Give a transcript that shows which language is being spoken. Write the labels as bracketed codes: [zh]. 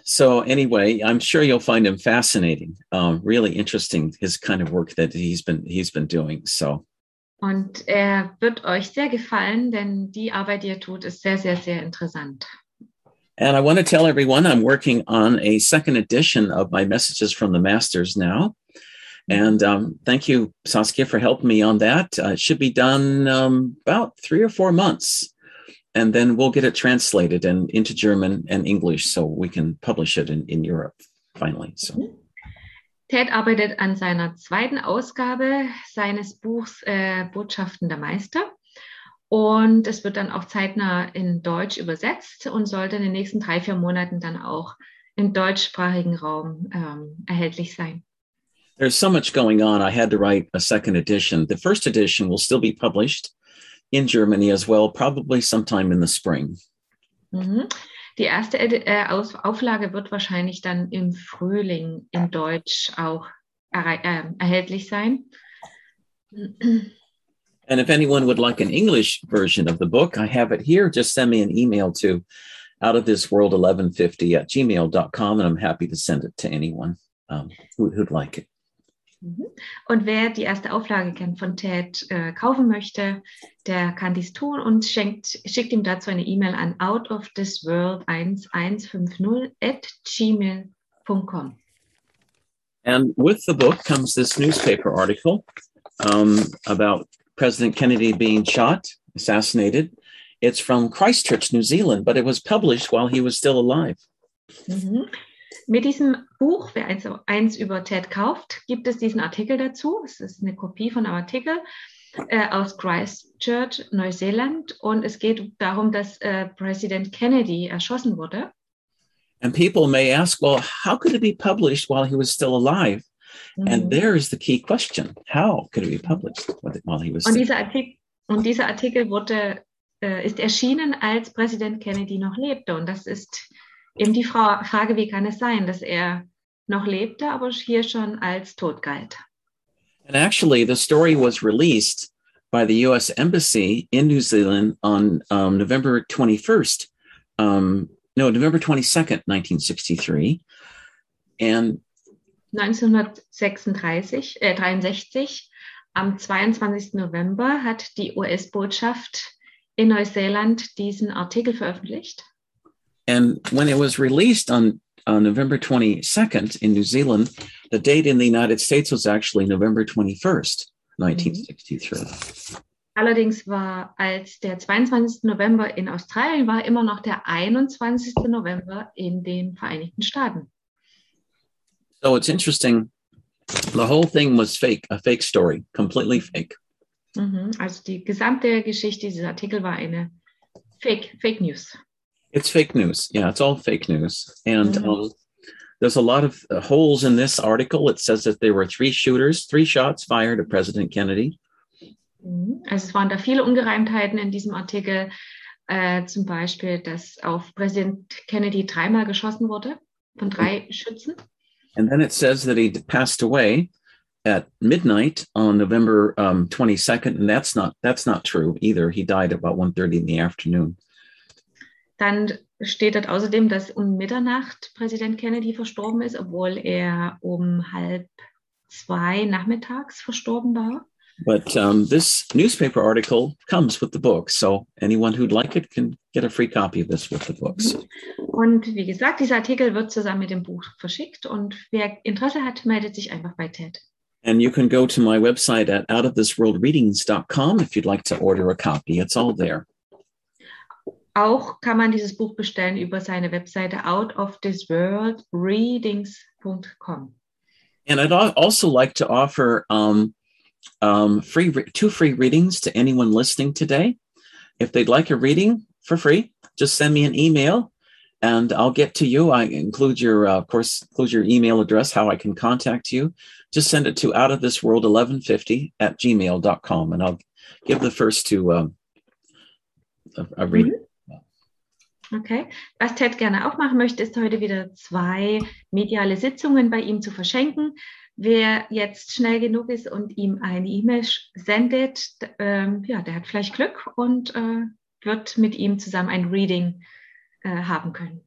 [en] So anyway, I'm sure you'll find him fascinating, really interesting, his kind of work that he's been doing. So. [de] Und er wird euch sehr gefallen, denn die Arbeit, die er tut, ist sehr, sehr, sehr interessant. [en] And I want to tell everyone I'm working on a second edition of my Messages from the Masters now. And thank you, Saskia, for helping me on that. It should be done about 3 or 4 months. And then we'll get it translated and into German and English so we can publish it in Europe finally. So. [de] Ted arbeitet an seiner zweiten Ausgabe seines Buchs Botschaften der Meister. Und es wird dann auch zeitnah in Deutsch übersetzt und sollte in den nächsten 3-4 Monaten dann auch im deutschsprachigen Raum erhältlich sein. [en] There's so much going on. I had to write a second edition. The first edition will still be published in Germany as well, probably sometime in the spring. Mm-hmm. [de] Die erste Auflage wird wahrscheinlich dann im Frühling in Deutsch auch erhältlich sein. [en] And if anyone would like an English version of the book, I have it here. Just send me an email to outofthisworld1150@gmail.com and I'm happy to send it to anyone who'd like it. [de] Und wer die erste Auflage von Ted kaufen möchte, der kann dies tun und schickt ihm dazu eine E-Mail an outofthisworld1150@gmail.com. [en] And with the book comes this newspaper article about President Kennedy being assassinated. It's from Christchurch, New Zealand, but it was published while he was still alive. Mm-hmm. [de] Mit diesem Buch, wer eins über Ted kauft, gibt es diesen Artikel dazu. Es ist eine Kopie von einem Artikel aus Christchurch, Neuseeland. Und es geht darum, dass Präsident Kennedy erschossen wurde. [en] And people may ask, well, how could it be published while he was still alive? Mm-hmm. And there is the key question. How could it be published while he was still alive? [de] Und dieser Artikel wurde, ist erschienen, als Präsident Kennedy noch lebte. Und das ist eben die Frage, wie kann es sein, dass er noch lebte, aber hier schon als tot galt. [en] And actually, the story was released by the U.S. Embassy in New Zealand on November 22nd, [de] 1963. Am 22. November hat die US-Botschaft in Neuseeland diesen Artikel veröffentlicht. [en] And when it was released on November 22nd in New Zealand, the date in the United States was actually November 21st, 1963. [de] Allerdings war, als der 22. November in Australien war, immer noch der 21. November in den Vereinigten Staaten. [en] So it's interesting. The whole thing was fake, a fake story, completely fake. [de] Also die gesamte Geschichte dieses Artikels war eine fake news. [en] It's fake news. Yeah, it's all fake news. And there's a lot of holes in this article. It says that there were three shots fired at President Kennedy. [de] Also es waren da viele Ungereimtheiten in diesem Artikel. Zum Beispiel, dass auf Präsident Kennedy dreimal geschossen wurde von drei Schützen. [en] And then it says that he passed away at midnight on November 22nd, and that's not true either. He died about 1:30 in the afternoon. [de] Dann steht dort außerdem, dass um Mitternacht Präsident Kennedy verstorben ist, obwohl er um 1:30 nachmittags verstorben war. [en] But this newspaper article comes with the book, so anyone who'd like it can get a free copy of this with the books. [de] Und wie gesagt, dieser Artikel wird zusammen mit dem Buch verschickt und wer Interesse hat, meldet sich einfach bei Ted. [en] And you can go to my website at outofthisworldreadings.com if you'd like to order a copy. It's all there. [de] Auch kann man dieses Buch bestellen über seine Webseite outofthisworldreadings.com. [en] And I'd also like to offer two free readings to anyone listening today. If they'd like a reading for free, just send me an email and I'll get to you. I include your your email address, how I can contact you. Just send it to outofthisworld1150@gmail.com and I'll give the first to a reading. [de] Okay, was Ted gerne auch machen möchte, ist heute wieder zwei mediale Sitzungen bei ihm zu verschenken. Wer jetzt schnell genug ist und ihm eine E-Mail sendet, der hat vielleicht Glück und wird mit ihm zusammen ein Reading haben können.